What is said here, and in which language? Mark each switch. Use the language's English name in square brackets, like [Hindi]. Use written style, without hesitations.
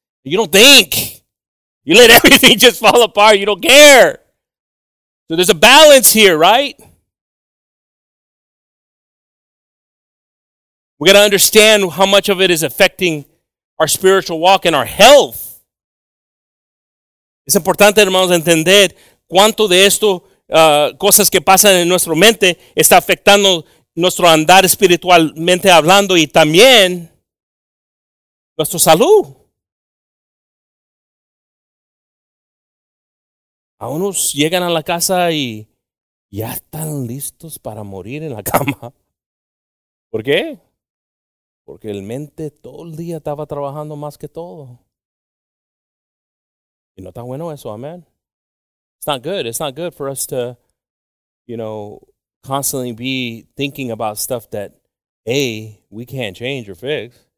[English] You don't think. You let everything just fall apart. You don't care. So there's a balance here, right? We got to understand how much of it is affecting our spiritual walk and our health. [Spanish] Es importante, hermanos, entender cuánto de esto, cosas que pasan en nuestra mente, está afectando nuestro andar espiritualmente hablando y también nuestra salud. A unos llegan a la casa y ya están listos para morir en la cama. ¿Por qué? Porque el mente todo el día estaba trabajando más que todo. Y no está bueno eso, amén. [English] It's not good. It's not good for us to, you know, constantly be thinking about stuff that, A, we can't change or fix.